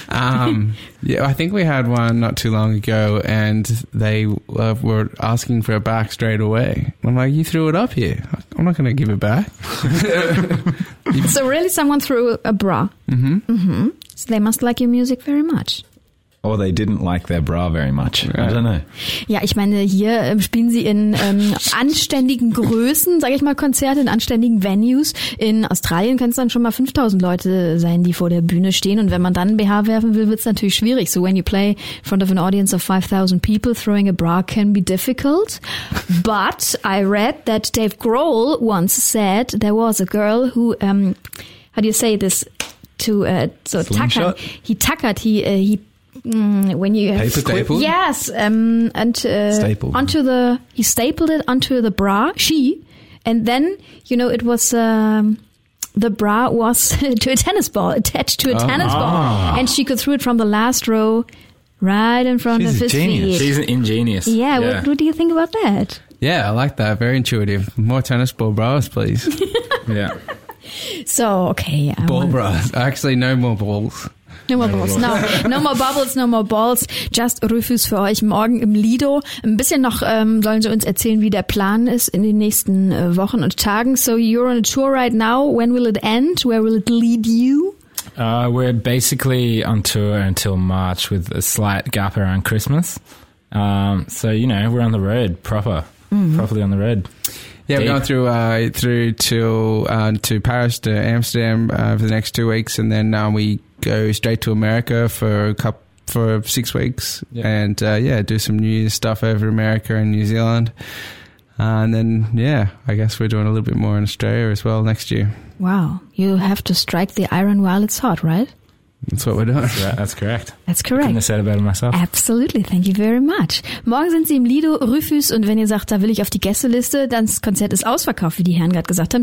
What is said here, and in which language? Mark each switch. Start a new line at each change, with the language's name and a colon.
English: I think we had one not too long ago, and they were asking for it back straight away. I'm like, you threw it up here. I'm not going to give it back. So really, someone threw a bra. Mm-hmm. So they must like your music very much. Or they didn't like their bra very much. Right. I don't know.
German: Ja, ich meine, hier spielen sie in anständigen Größen, sage ich mal, Konzerte, in anständigen Venues. In Australien können es dann schon mal 5000 Leute sein, die vor der Bühne stehen. Und wenn man dann BH werfen will, wird es natürlich schwierig.
English: So when you play in front of an audience of 5000 people, throwing a bra can be difficult. But I read that Dave Grohl once said there was a girl who, how do you say this, to so tuckered. When you paper staple, yes, stapled. He stapled it onto the bra. She, and then you know it was the bra was to a tennis ball attached to a tennis ball, and she could throw it from the last row right in front She's of his genius. Feet. She's an ingenious. Yeah, yeah. What do you think about that? Yeah, I like that. Very intuitive. More tennis ball bras, please. Yeah. So okay, ball bras. Actually, no more balls. No more bubbles, no more balls.
German: Just Rufus für euch morgen im Lido. Ein bisschen noch sollen sie uns erzählen, wie der Plan ist in den nächsten Wochen und Tagen.
English: So you're on a tour right now. When will it end? Where will it lead you? We're basically on tour until March with a slight gap around Christmas. We're on the road proper, properly on the road. Yeah, we're going through to Paris, to Amsterdam for the next 2 weeks, and then we go straight to America for 6 weeks, and do some new stuff over America and New Zealand, and then I guess we're doing a little bit more in Australia as well next year. Wow, you have to strike the iron while it's hot, right? That's what we're doing. That's correct. I couldn't have said it better myself. Absolutely. Thank you very much.
German: Morgen sind sie im Lido, Rufus. Und wenn ihr sagt, da will ich auf die Gästeliste, dann das Konzert ist ausverkauft, wie die Herren gerade gesagt haben.